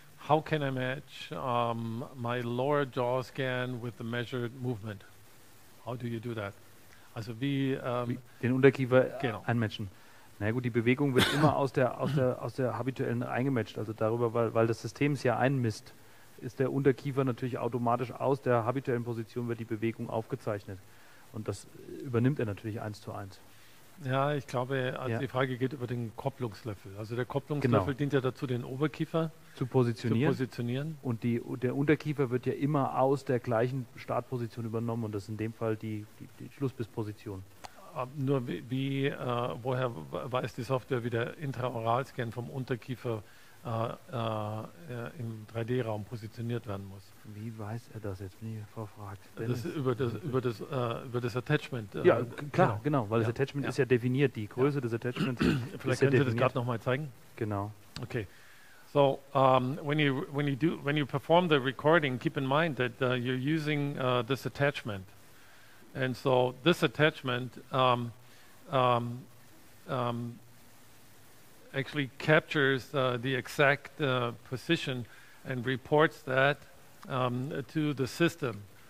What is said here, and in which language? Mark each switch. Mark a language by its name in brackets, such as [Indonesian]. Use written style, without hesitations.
[English] How can I match my lower jaw scan with the measured movement? How do you do that? [German] Also wie den Unterkiefer einmatchen. Na gut, die Bewegung wird immer aus der habituellen eingematcht. Also darüber, weil das System es ja einmisst, ist der Unterkiefer natürlich automatisch aus der habituellen Position wird die Bewegung aufgezeichnet. Und das übernimmt er natürlich eins zu eins. Ja, ich glaube, also die Frage geht über den Kopplungslöffel. Also der Kopplungslöffel dient ja dazu, den Oberkiefer zu positionieren. Und der Unterkiefer wird ja immer aus der gleichen Startposition übernommen und das ist in dem Fall die Schlussbissposition. Nur wie woher weiß die Software, wie der Intraoralscan vom Unterkiefer im 3D-Raum positioniert werden muss? Wie weiß er das jetzt, wenn ich vorfragt? Das über das Attachment. Ja, klar, genau, weil das Attachment ist ja definiert, die Größe des Attachments. Vielleicht könnt ihr das gerade nochmal zeigen? Genau. Okay. [English] So when you perform the recording, keep in mind that you're using this attachment, and so this attachment actually captures the exact position and reports that to the system.